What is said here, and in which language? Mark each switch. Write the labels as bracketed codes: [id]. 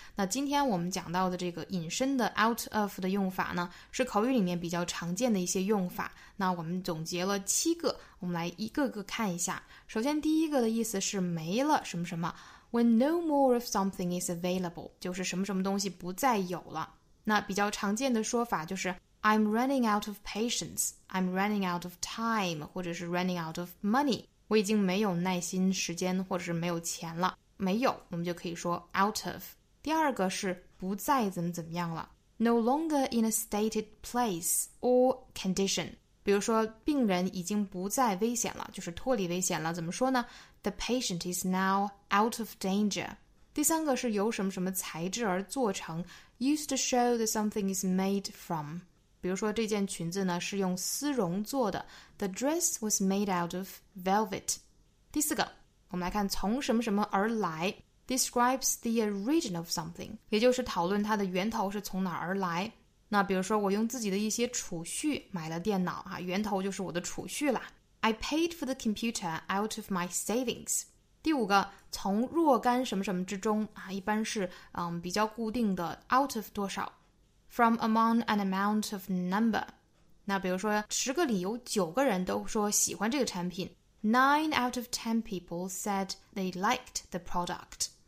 [zh] 那今天我们讲到的这个引申的 out of 的用法呢，是口语里面比较常见的一些用法。那我们总结了七个，我们来一个个看一下。首先第一个的意思是没了什么什么， [en] when no more of something is available， [zh] 就是什么什么东西不再有了。那比较常见的说法就是 [en] I'm running out of patience, I'm running out of time, [zh] 或者是 [en] running out of money. [zh] 我已经没有耐心时间或者是没有钱了。没有，我们就可以说 out of. 第二个是不再怎么怎么样了。 [en] No longer in a stated place or condition. [zh] 比如说病人已经不再危险了，就是脱离危险了，怎么说呢？ [en] The patient is now out of danger. [zh] 第三个是由什么什么材质而做成， [en] used to show that something is made from。 [zh] 比如说这件裙子呢是用丝绒做的， [en] The dress was made out of velvet。 [zh] 第四个我们来看从什么什么而来， [en] describes the origin of something， [zh] 也就是讨论它的源头是从哪而来。那比如说我用自己的一些储蓄买了电脑啊，源头就是我的储蓄啦。 [en] I paid for the computer out of my savings。 [zh] 第五个从若干什么什么之中啊，一般是比较固定的 out of 多少， [en] from among an amount of number。 [zh] 那比如说十个里有九个人都说喜欢这个产品， [en] 9 out of 10 people said they liked the product。